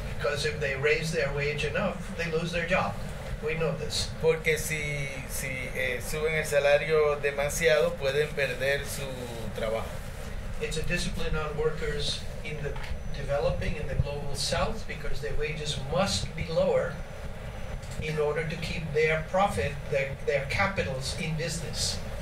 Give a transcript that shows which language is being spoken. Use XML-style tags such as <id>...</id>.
<en>Because if they raise their wage enough, they lose their job. We know this.</en> <es>Porque si suben el salario demasiado, pueden perder su trabajo.</es> <en>It's a discipline on workers in the developing, in the global south, because their wages must be lower in order to keep their profit, their capitals in business.</en>